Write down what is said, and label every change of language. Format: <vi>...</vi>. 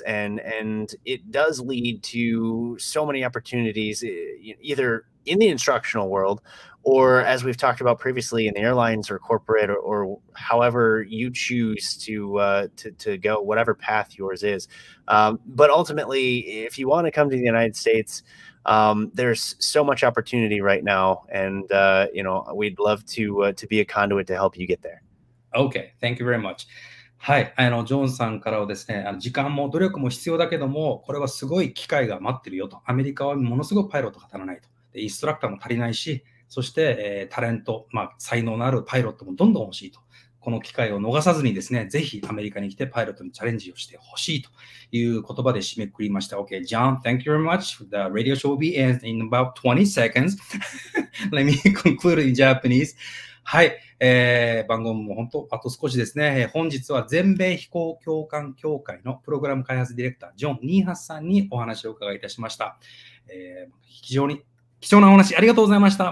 <en>And it does lead to so many opportunities, either in the instructional world, or as we've talked about previously, in the airlines or corporate, or however you choose to go, whatever path yours is. But ultimately, if you want to come to the United States, there's so much opportunity right now. And, you know, we'd love to be a conduit to help you get there. Okay, thank you very much.</en> <ja>はい、ジョーンさんからはですね、時間も努力も必要だけども、これはすごい機会が待ってるよと。アメリカはものすごくパイロットが足らないと。で、インストラクターも足りないし、そして、タレント、まあ、才能のあるパイロットもどんどん欲しいと。この機会を逃さずにですね、ぜひアメリカに来てパイロットにチャレンジをしてほしいという言葉で締めくくりました。</ja> <en>Okay, John, thank you very much. The radio show will be ending in about 20 seconds. Let me conclude in Japanese.</en> <ja>はい、番号も本当、あと少しですね、本日は全米飛行教官協会のプログラム開発ディレクター、ジョン・ニーハスさんにお話を伺いいたしました。非常に貴重なお話ありがとうございました。</ja>